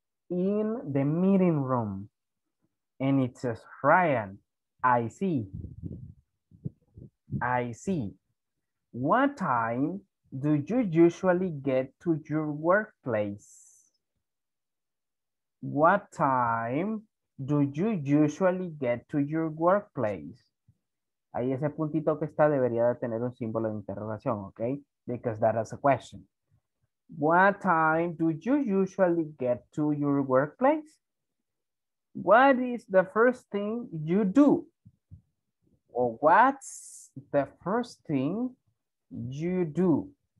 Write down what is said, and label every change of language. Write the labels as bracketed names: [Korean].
[English] In the meeting room. And it says, Ryan, I see. I see. What time do you usually get to your workplace? What time do you usually get to your workplace? [Spanish] Ahí ese puntito que está debería de tener un símbolo de interrogación, okay? [English] Because that is a question. What time do you usually get to your workplace? What is the first thing you do? Or what's the first thing you do?